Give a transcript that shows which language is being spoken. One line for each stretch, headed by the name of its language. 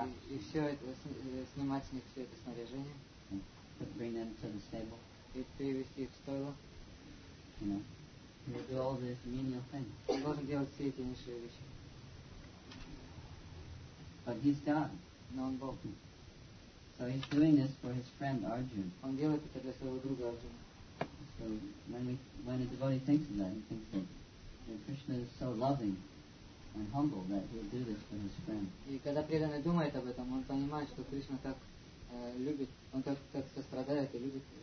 Russian: И все это снимать с них все это снаряжение.
English: And bring them to the stable.
Russian: И перевести их в стойло.
English: You know, do all these menial things.
Russian: Он должен делать все эти низшие вещи.
English: But he's God.
Russian: Но он Бог.
English: So he's doing this for his friend Arjuna.
Russian: Он делает это для своего друга Арджуны.
English: So when a devotee thinks of that, he thinks that Krishna is so loving and humble that he'll do this for his friend.
Russian: И когда преданный думает об этом, он понимает, что Кришна так любит, он так сострадает и любит.